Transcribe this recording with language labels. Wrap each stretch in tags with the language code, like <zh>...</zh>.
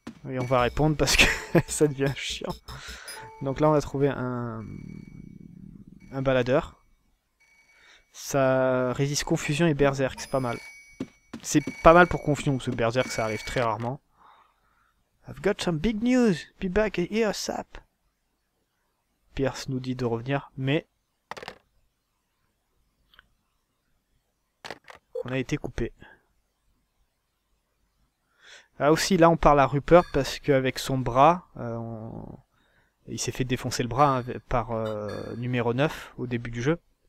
<fr>Et on va répondre parce que ça devient chiant. Donc là, on a trouvé un baladeur. Ça résiste confusion et berserk, c'est pas mal. C'est pas mal pour confusion, parce que berserk, ça arrive très rarement.</fr> <en>I've got some big news. Be back here, sap.</en> <fr>Pierce nous dit de revenir, mais on a été coupé. Ah aussi, là, on parle à Rupert parce qu'avec son bras, il s'est fait défoncer le bras, hein, par numéro 9 au début du jeu.</fr>